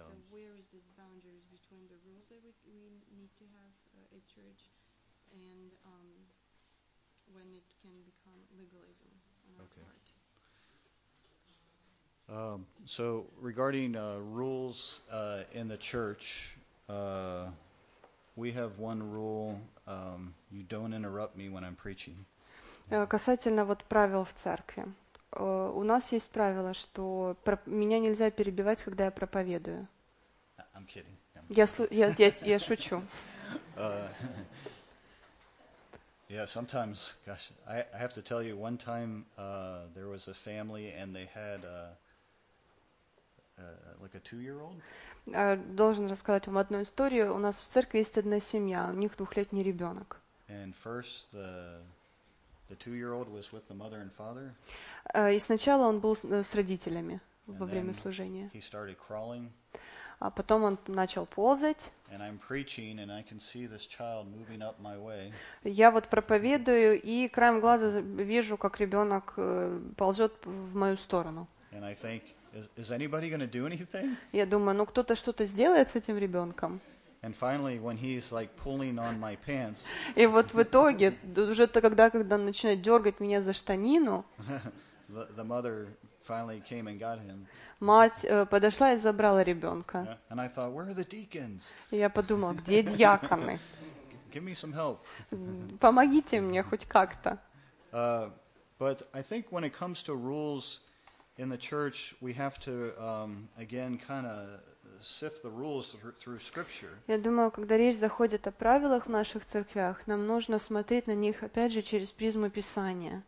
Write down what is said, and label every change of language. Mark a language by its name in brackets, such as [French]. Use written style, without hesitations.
[English] So where is this boundaries between the rules that we need to have at church and when it can become legalism on our okay. part? So regarding rules in the church, we have one rule, you don't interrupt me when I'm preaching. [Russian] Касательно вот правил в церкви. У нас есть правило, что меня нельзя перебивать, когда я проповедую. [English] I'm kidding. [Russian] Я шучу. [English] Yeah, sometimes, gosh, I have to tell you, one time there was a family and they had like a 2-year-old. [Russian] Должен рассказать вам одну историю. У нас в церкви есть одна семья, у них 2-летний ребенок. [English] And first the 2-year-old was with the mother and father. [Russian] И сначала он был с родителями во время служения. [English] He started crawling. [Russian] А потом он начал ползать. [English] And I'm preaching and I can see this child moving up my way. [Russian] Я вот проповедую и краем глаза вижу, как ребёнок ползёт в мою сторону. [English] And I think, is anybody going to do anything? [Russian] Я думаю, ну кто-то что-то сделает с этим ребёнком. [English] And finally when he's like pulling on my pants. [Russian] И вот в итоге уже когда начинает дёргать меня за штанину, [English] the mother finally came and got him. [Russian] Мать подошла и забрала ребёнка. [English] Yeah. And I thought, where are the deacons? [Russian] Я подумала, где диаконы? [English] Give me some help. [Russian] Помогите мне хоть как-то. [English] But I think when it comes to rules in the church, we have to again kind of sift the rules through scripture. [Russian] Я думаю, когда речь заходит о правилах в наших церквях, нам нужно смотреть на них опять же через призму Писания.